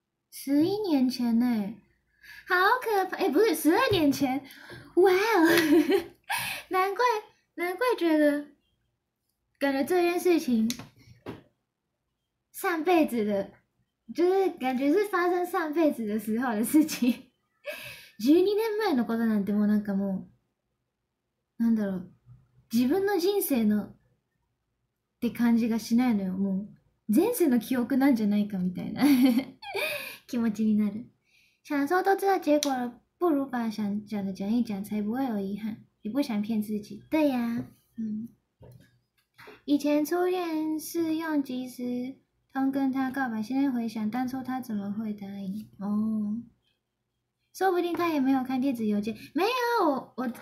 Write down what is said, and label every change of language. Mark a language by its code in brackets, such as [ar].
[zh] 11年前呢？好可怕！哎，不是12年前，哇哦！难怪觉得，感觉这件事情上辈子的，就是感觉是发生上辈子的时候的事情。 [ja] 12年前のことなんてもうなんかもう、なんだろう、自分の人生のって感じがしないのよ。もう前世の記憶なんじゃないかみたいな 気持ちになる。 [zh] 想说都知道结果了，不如把想讲的讲一讲，才不会有遗憾，也不想骗自己。对呀，以前初恋是用即时通跟他告白，现在回想当初他怎么会答应？哦，说不定他也没有看电子邮件，没有。